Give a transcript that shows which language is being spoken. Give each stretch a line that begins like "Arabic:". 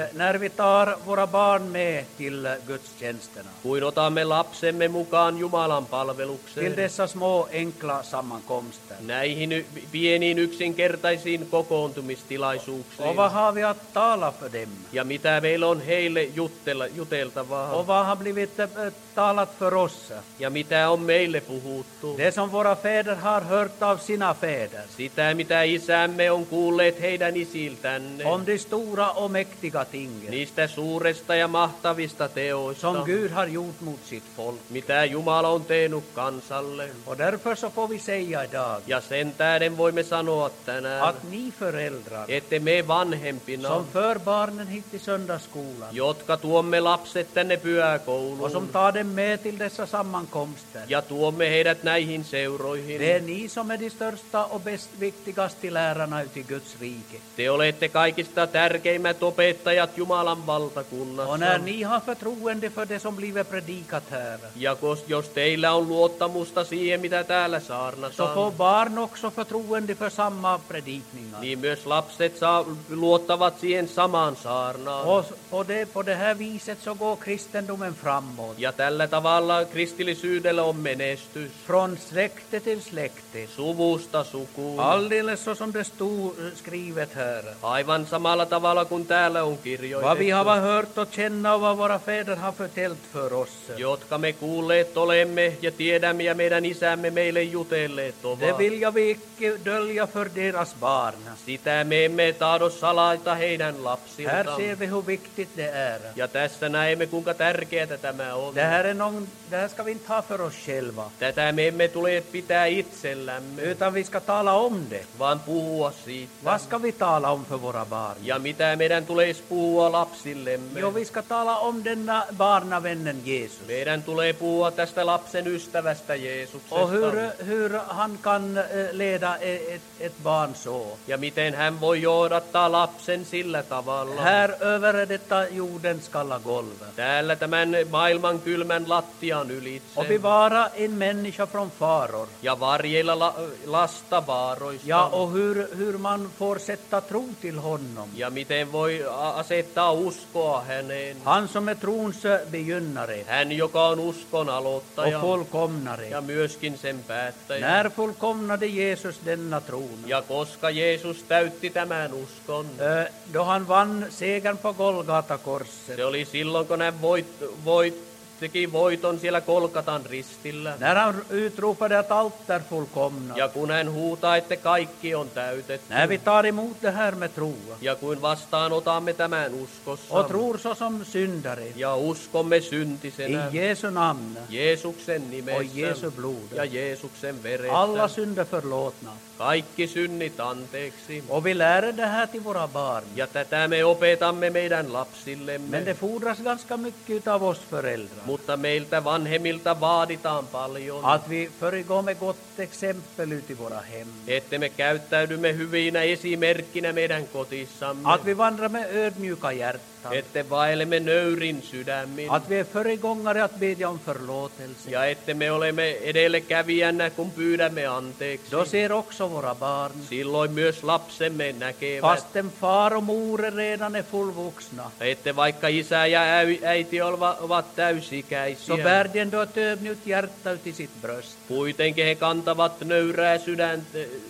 Swedish: När vi tar våra barn med till gudstjänsterna.
Finnish: Kuin otamme lapsemme mukaan Jumalan palvelukseen.
Swedish: Till dessa små enkla sammankomster.
Finnish: Näihin pieniin yksinkertaisiin kokoontumistilaisuuksiin.
Swedish: Och vad har vi att tala för dem?
Finnish: Ja mitä meillä on heille juteltavaa?
Swedish: Och vad har blivit talat för oss?
Finnish: Ja mitä on meille puhuttu?
Swedish: Det som våra fäder har hört av sina fäder.
Finnish: Sitä mitä isämme on kuullut. olet heidän isiltänne.
Swedish: Om de stora och mäktiga tinget.
Finnish: Niistä suuresta ja mahtavista teoista.
Swedish: Som Gud har gjort mot sitt folk.
Finnish: Mitä Jumala on tehnyt kansalle.
Swedish: Och därför så får vi säga idag.
Finnish: Ja sen tähden voimme sanoa tänään.
Swedish: Att ni föräldrar.
Finnish: Ette me vanhempina.
Swedish: Som för barnen hit till söndagsskolan.
Finnish: Jotka tuomme lapset tänne pyhäkouluun.
Swedish: Och som tar dem med till dessa sammankomster.
Finnish: Ja tuomme heidät näihin seuroihin.
Swedish: Det är ni som är de största och bäst viktigasti lärarna ut i Guds rike.
Finnish: Te olette kaikista tärkeimmät opettajat Jumalan valtakunnassa.
Swedish: Och när ni har förtroende för det som blivit predikat här.
Finnish: Ja jos teillä on luottamusta siihen, mitä täällä saarnataan.
Swedish: Så får barn också förtroende för samma predikningar.
Finnish: Niin myös lapset luottavat siihen samaan saarnaan.
Swedish: På det här viset så går kristendomen framåt.
Finnish: Ja tällä tavalla kristillisyydellä on menestys.
Swedish: Från släkte till släkte.
Finnish: Suvusta sukuun.
Swedish: Alldeles som det står skrivet här.
Finnish: Aivan samalla tavalla kuin täällä on kirjoitettu.
Swedish: Vad vi har hört och känna och vad våra fäder har förtällt för oss.
Finnish: Jotka me kuulleet olemme ja tiedämme ja meidän isämme meille jutelleet ovat.
Swedish: Det vill jag icke dölja för deras barn.
Finnish: Sitä me emme tahdo salaita heidän lapsiltaan.
Swedish: Här ser vi hur viktigt det är.
Finnish: Ja tässä näemme kuinka tärkeätä tämä on.
Swedish: Det här ska vi inte ha för oss själva.
Finnish: Tätä me emme tule pitää itsellämme.
Swedish: Utan vi ska tala om det.
Finnish: Vaan puhua siitä.
Swedish: Vad ska vi tala om för våra barn?
Finnish: Ja mitä meidän tulees puhua lapsillemme?
Swedish: Jo, vi ska tala om denna barnavännen Jesus.
Finnish: Meidän tulee puhua tästä lapsen ystävästä Jeesuksesta.
Swedish: Och hur han kan leda ett barn så.
Finnish: Ja miten hän voi johdattaa lapsen sillä tavalla.
Swedish: Här över detta jordenskalla golvet.
Finnish: Täällä tämän maailman kylmän lattian ylitse.
Swedish: Och bevara en människa från faror.
Finnish: Ja varjella lasta vaaroista.
Swedish: Ja och hur man får sätta tro till honom.
Finnish: Ja miten voi asettaa uskoa häneen.
Swedish: Han som är trons begynnare.
Finnish: Hän joka on uskon aloittaja.
Swedish: Och fullkomnare.
Finnish: Ja myöskin sen päättäjä.
Swedish: När fullkomnade Jesus denna tron.
Finnish: Ja koska Jeesus täytti tämän uskon.
Swedish: Då han vann segern på Golgata korset.
Finnish: Se oli silloin kun hän teki voiton siellä Golgatan ristillä.
Swedish: När han utropade att allt är fullkomnat.
Finnish: Ja kun hän huutaa, että kaikki on täytetty.
Swedish: När vi tar emot det här med tro.
Finnish: Ja kun vastaanotamme tämän uskossa.
Swedish: Och tror så som syndare.
Finnish: Ja uskomme syntisenä.
Swedish: I Jesu namn.
Finnish: Jeesuksen nimessä.
Swedish: Och Jesu blod.
Finnish: Ja Jeesuksen veressä.
Swedish: Alla synder förlåtna.
Finnish: Kaikki synnit anteeksi.
Swedish: Och vi lär det här till våra barn.
Finnish: Ja tätä me opetamme meidän lapsillemme.
Swedish: Men det fordras ganska mycket av oss föräldrar.
Finnish: Mutta meiltä vanhemmilta vaaditaan paljon.
Swedish: Att vi föregår med gott exempel ut i våra hem.
Finnish: Että me käyttäydymme hyvinä esimerkkinä meidän kotissamme.
Swedish: Att vi vandrar med ödmjuka hjärta.
Finnish: Ette vaelemme nöyrin sydämin.
Swedish: Att vi är föregångare att bedja om förlåtelse.
Finnish: Ja ette me olemme edellekävijänä kun pyydämme anteeksi.
Swedish: Då ser också våra barn.
Finnish: Silloin myös lapsemme näkevät.
Swedish: Fasten far och mor är redan fullvuxna.
Finnish: Ette vaikka isä ja äiti ovat täysikäisiä.
Swedish: Så bär den då ett ödmjukt hjärta ut i sitt bröst.
Finnish: Kuitenkin he kantavat nöyrää sydäntä.